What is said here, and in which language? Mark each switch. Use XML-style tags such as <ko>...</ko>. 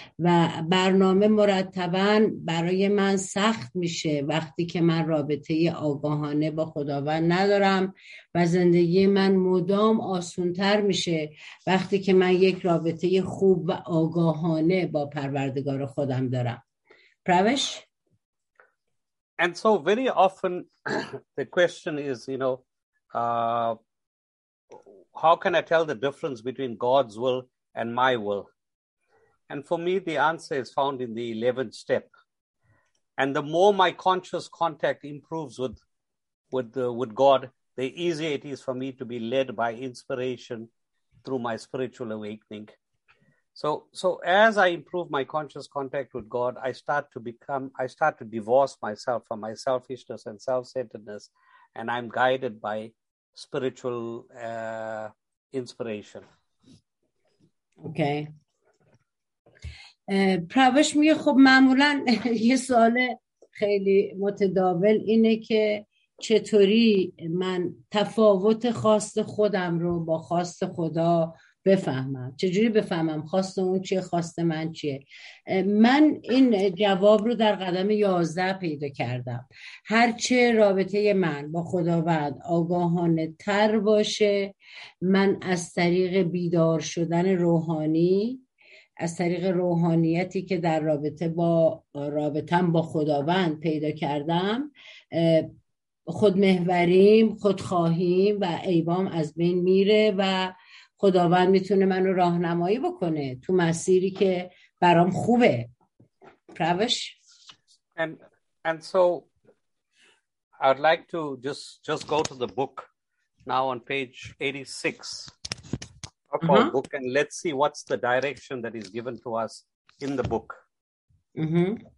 <fa>و برنامه مرتباً برای من سخت میشه وقتی که من رابطه آگاهانه با خداوند ندارم و زندگی من مدام آسونتر میشه وقتی که من یک رابطه خوب و آگاهانه با پروردگار خودم دارم. پروش؟</fa> <en>And so very often the question is, you know, how can I tell the difference between God's will and my will? And for me, the answer is found in the 11th step. And the more my conscious contact improves with God, the easier it is for me to be led by inspiration through my spiritual awakening. So as I improve my conscious contact with God, I start to divorce myself from my selfishness and self-centeredness, and I'm guided by spiritual inspiration. Okay.</en> <fa>پروش میگه خب معمولا یه سوال خیلی متداول اینه که چطوری من تفاوت خواست خودم رو با خواست خدا بفهمم، چجوری بفهمم خواست اون چیه خواست من چیه. من این جواب رو در قدم 11 پیدا کردم. هرچه رابطه من با خداوند آگاهانه تر باشه، من از طریق بیدار شدن روحانی، از طریق روحانیتی که در رابطه با رابطم با خداوند پیدا کردم، خودمحوریم، خودخواهیم و ایبام از بین میره و خداوند میتونه منو راهنمایی بکنه تو مسیری که برام خوبه. پروش؟</fa> <en>And so I'd like to just go to the book now on page 86. Book and let's see what's the direction that is given to us in the book. Mm-hmm.</en>